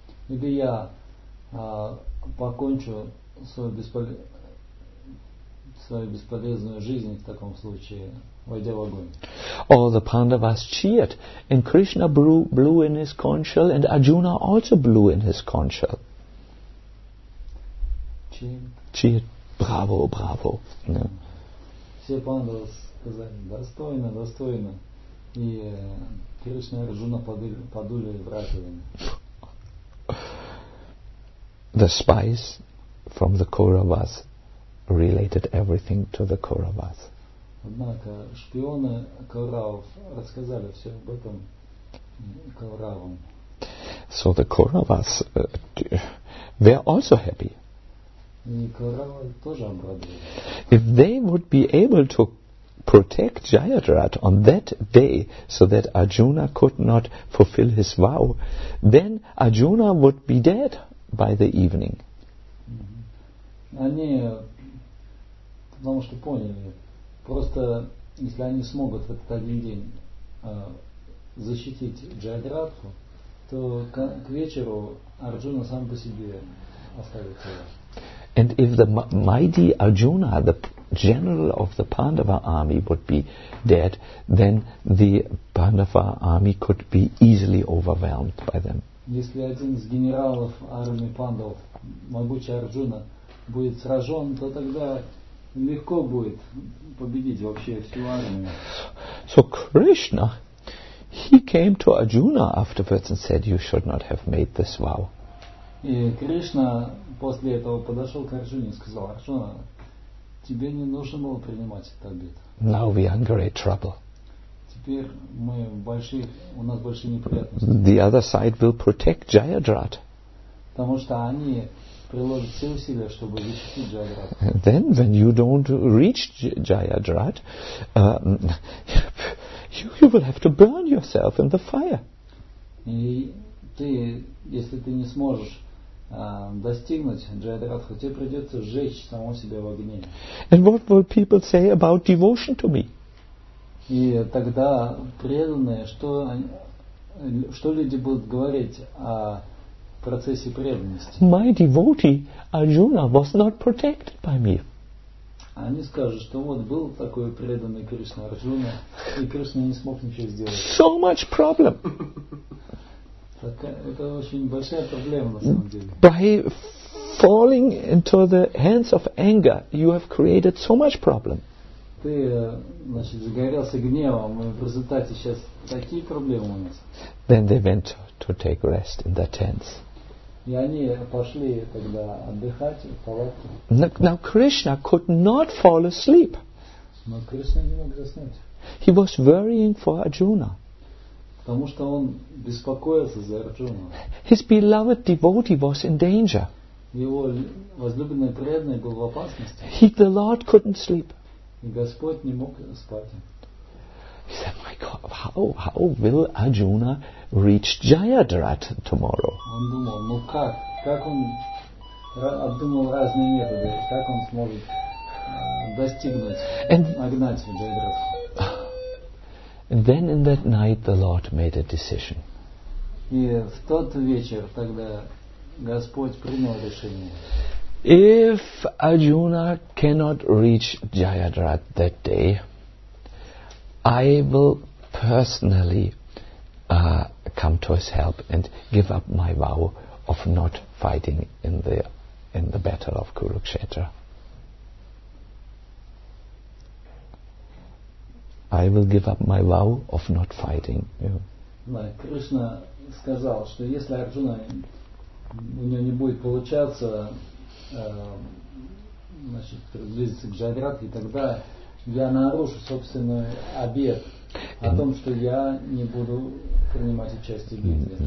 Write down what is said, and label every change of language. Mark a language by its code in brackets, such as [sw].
[ru] Или я покончу свою бесполезную жизнь в таком случае. [en] All the Pandavas cheered, and Krishna blew in his conch shell, and Arjuna also blew in his conch shell. Cheered. Bravo, bravo. [ru] Все Пандавы сказали: достойно, достойно. И Кришна и Арджуна подули в раковину. [en] The spies from the Kauravas related everything to the Kauravas. [ru] Однако шпионы Кауравов рассказали все об этом Кауравам. [en] So the Kauravas were also happy. [ru] И Кауравы тоже обрадовались. [en] If they would be able to protect Jayadrat on that day so that Arjuna could not fulfill his vow, then Arjuna would be dead by the evening. [ru] Они потому что поняли. Просто если они смогут в этот один день защитить Джайадратху, то к вечеру Арджуна сам по себе оставит его. [en] And if the mighty Arjuna, the general of the Pandava army, would be dead, then the Pandava army could be easily overwhelmed by them. [ru] Если один из генералов армии Пандов, могучий Арджуна, будет сражен, то тогда легко будет победить вообще всю армию. [en] So Krishna, he came to Arjuna afterwards and said, "You should not have made this vow." [ru] И Кришна после этого подошел к Арджуне и сказал: "Арджуна, тебе не нужно было принимать этот обет." [en] Now we are in great trouble. [ru] Теперь мы в больших, у нас большие неприятности. [en] The other side will protect Jayadrat. [ru] Потому что они приложить все усилия, чтобы защитить Джайадрат. [en] Then, when you don't reach Jayadrat, you will have to burn yourself in the fire. [ru] И ты, если ты не сможешь достигнуть Джайадрадху, тебе придется сжечь само себя в огне. [en] And what will people say about devotion to me? [ru] И тогда преданные, что люди будут говорить о процессе преданности? [en] My devotee Arjuna was not protected by me. [ru] Они скажут, что вот был такой преданный Кришна Арджуна, и Кришна не смог ничего сделать. [en] So much problem. [ru] Так, это очень большая проблема на самом деле. [en] By falling into the hands of anger, you have created so much problem. [ru] Ты, значит, загорелся гневом, и в результате сейчас такие проблемы у нас. [en] Then they went to take rest in the tents. [ru] И они пошли тогда отдыхать в палатке. [en] Now Krishna could not fall asleep. [ru] Но Кришна не мог заснуть. [en] He was worrying for Arjuna. [ru] Потому что он беспокоился за Арджуну. [en] His beloved devotee was in danger. [ru] Его возлюбленный преданный был в опасности. [en] He, the Lord, couldn't sleep. [ru] И Господь не мог спать. [en] He said, "My God, how will Arjuna reach Jayadrat tomorrow?" [ru] Он думал, ну как? Как он обдумал разные методы, как он сможет достигнуть, нагнать Джайадрат? [en] And then in that night the Lord made a decision. [ru] И в тот вечер тогда Господь принял решение. [en] If Arjuna cannot reach Jayadrat that day, I will personally come to his help and give up my vow of not fighting in the battle of Kurukshetra. I will give up my vow of not fighting. [ru] Кришна сказал, что если Арджуна у него не будет получаться, значит, приблизиться к Джайадрат, и тогда я нарушу собственный обет о том, что я не буду принимать участие в битве.